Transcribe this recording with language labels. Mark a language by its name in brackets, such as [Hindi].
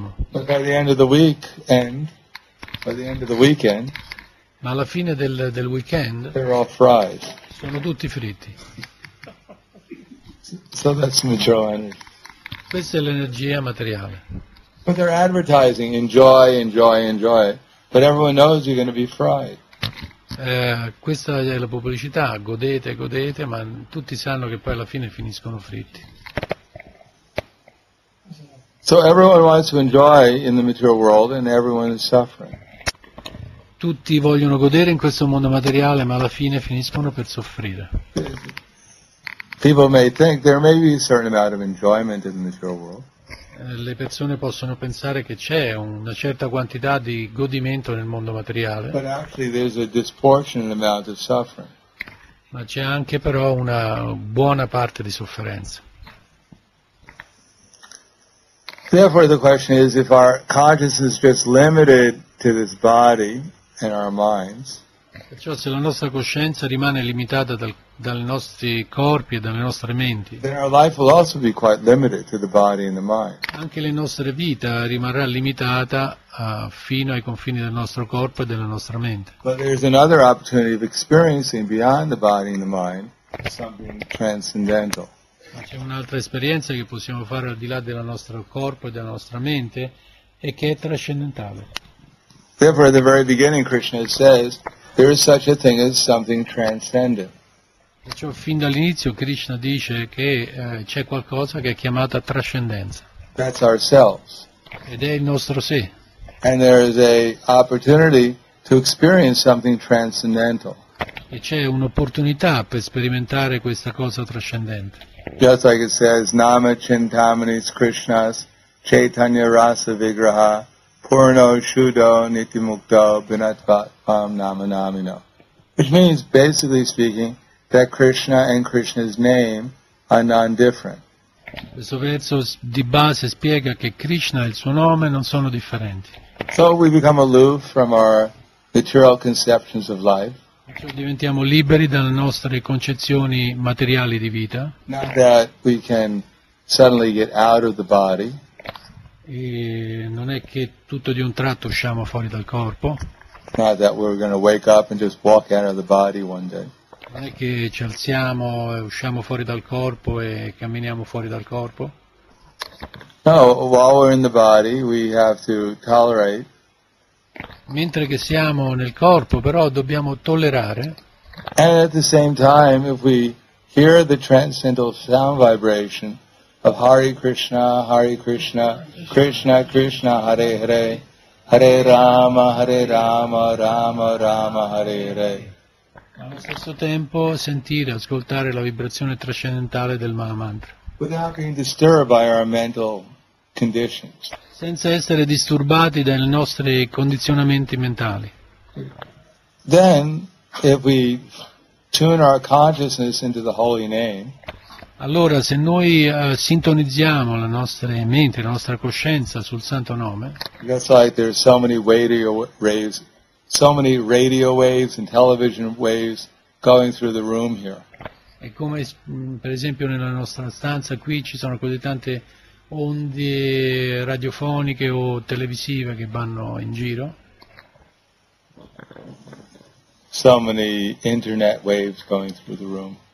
[English] But by the end of the week, by the end of the weekend, [Italian] ma alla fine del weekend, [English] they're all fried. [Italian] Sono tutti fritti. [English] So that's material energy. [Italian] Questa è l'energia materiale. [English] But they're advertising, enjoy, enjoy, enjoy. But everyone knows you're going to be fried. [Italian] Questa è la pubblicità, godete, godete, ma tutti sanno che poi alla fine finiscono fritti. [English] So everyone wants to enjoy in the material world and everyone is suffering. [Italian] Tutti vogliono godere in questo mondo materiale, ma alla fine finiscono per soffrire. [English] People may think there may be a certain amount of enjoyment in the material world. [Italian] Le persone possono pensare che c'è una certa quantità di godimento nel mondo materiale. [English] But actually there's a disproportionate amount of suffering. [Italian] Ma c'è anche però una buona parte di sofferenza. [English] Therefore the question is, if our consciousness is just limited to this body, in our minds. [Italian] Perciò se la nostra coscienza rimane limitata dai nostri corpi e dalle nostre menti, [English] then our life will also be quite limited to the body and the mind. [Italian] Anche la nostra vita rimarrà limitata fino ai confini del nostro corpo e della nostra mente. [English] But there's another opportunity of experiencing beyond the body and the mind something transcendental. [Italian] Ma c'è un'altra esperienza che possiamo fare al di là del nostro corpo e della nostra mente e che è trascendentale. [English] Therefore, at the very beginning, Krishna says there is such a thing as something transcendent. [Italian] Perciò fin dall'inizio Krishna dice che c'è qualcosa che è chiamata trascendenza. [English] That's ourselves. [Italian] Ed è il nostro sé. [English] And there is a opportunity to experience something transcendental. [Italian] E c'è un'opportunità per sperimentare questa cosa trascendente. [English] Just like it says, [Sanskrit] Nama Chintamanis Krishnas Chaitanya Rasa Vigraha. Purno Shudo Nitimukto Binatvat Pam Namanamino. [English] Which means, basically speaking, that Krishna and Krishna's name are non-different. [Italian] Questo verso di base spiega che Krishna e il suo nome non sono differenti. [English] So we become aloof from our material conceptions of life. [Italian] Cioè diventiamo liberi dalle nostre concezioni materiali di vita. [English] Not that we can suddenly get out of the body. [Italian] E non è che tutto di un tratto usciamo fuori dal corpo. [English] Not that we're going to wake up and just walk out of the body one day. [Italian] Non è che ci alziamo e usciamo fuori dal corpo e camminiamo fuori dal corpo. [English] No, while we're in the body we have to tolerate. [Italian] Mentre che siamo nel corpo però dobbiamo tollerare. [English] And at the same time if we hear the transcendental sound vibration of [Sanskrit] Hare Krishna, Krishna, Krishna, Hare Hare, [English] Hare Rama, Rama, Rama, Hare Hare. [Italian] Allo stesso tempo sentire, ascoltare la vibrazione trascendentale del Maha Mantra. [English] Without being disturbed by our mental conditions. [Italian] Senza essere disturbati dai nostri condizionamenti mentali. [English] Then, if we tune our consciousness into the holy name, [Italian] allora, se noi sintonizziamo la nostra mente, la nostra coscienza sul Santo Nome, [English] just like there's so many radio waves, so many radio waves and television waves going through the room here. [Italian] È come, per esempio, nella nostra stanza qui ci sono così tante onde radiofoniche o televisive che vanno in giro. [English] So many internet waves going through the room.